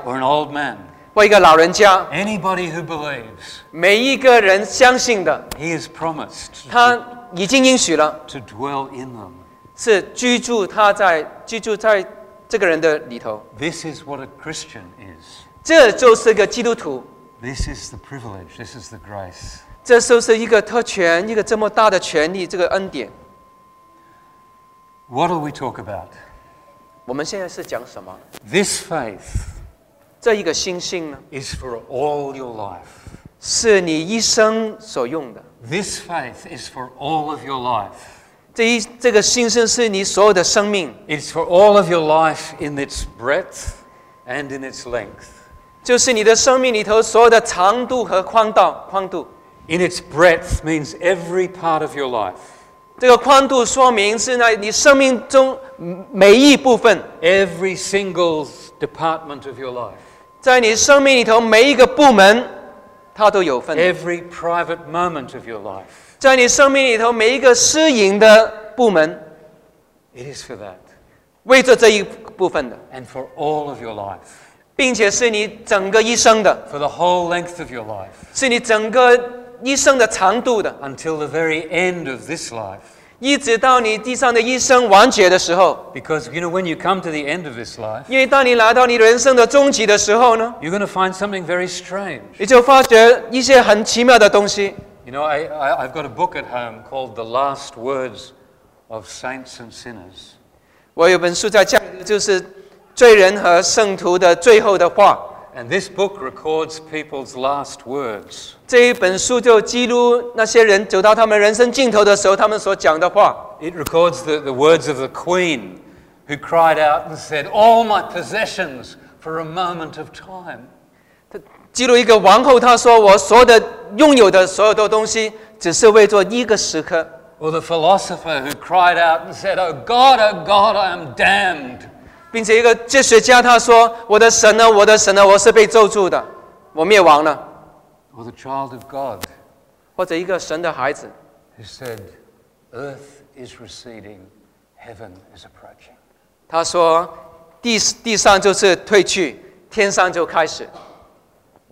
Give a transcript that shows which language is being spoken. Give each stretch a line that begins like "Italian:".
English: or an old man,
Chinese: 或一个老人家
English: anybody who believes,
Chinese: 每一个人相信的
English: he is promised,
Chinese: 他已经应许了
English: to dwell in them,
Chinese: 是居住在这个人的里头。
English: This is what a Christian is.
Chinese: 这就是个基督徒。
English: This is the privilege, this is the grace.
Chinese: 这就是一个特权，一个这么大的权利，这个恩典。
English: What do we talk about?
Chinese: 我们现在是讲什么
English: ？This faith,
Chinese: 这一个信心呢
English: ？Is for all your life.
Chinese: 是你一生所用的。
English: This faith is for all of your life.
Chinese: 这个信心是你所有的生命。
English: It's for all of your life in its breadth. and in its length.
Chinese: 就是你的生命里头所有的长度和宽度。
English: In its breadth means every part of your life.
Chinese: 这个宽度说明是你生命中每一部分。
English: Every single department of your life.
Chinese: 在你生命里头每一个部门，它都有份。
English: Every private moment of your life.
Chinese: 在你生命里头每一个私隐的部门。
English: It is for that.
Chinese: 为着这一部分的。
English: And for all of your life.
Chinese: 并且是你整个一生的
English: For the whole length of your life,
Chinese: 是你整个一生的长度的
English: Until the very end of this life,
Chinese: 一直到你地上的一生完结的时候
English: Because you know, when you come to the end of this life,
Chinese: 因为当你来到你人生的终极的时候呢
English: You're going to find something very strange.
Chinese: 你就发觉一些很奇妙的东西
English: You know, I've got a book at home called The Last Words of Saints and Sinners.
Chinese: 我有本书在家里就是罪人和圣徒的最后的话。
English: And this book records people's last words.
Chinese: 这一本书就记录那些人走到他们人生尽头的时候，他们所讲的话。
English: It records the words of the queen, who cried out and said, "All my possessions for a moment of time."
Chinese: 记录一个王后，她说：“我所有的拥有的所有的东西，只是为做一个时刻。
English: ”Or the philosopher who cried out and said, "Oh God, oh God, I am damned."
Chinese: 并且一个哲学家他说：“我的神呢，我的神呢，我是被咒诅的，我灭亡了。”
English: Or the child of God,
Chinese: 或者一个神的孩子
English: ，He said, "Earth is receding, heaven is approaching."
Chinese: 他说：“地上就是退去，天上就开始。”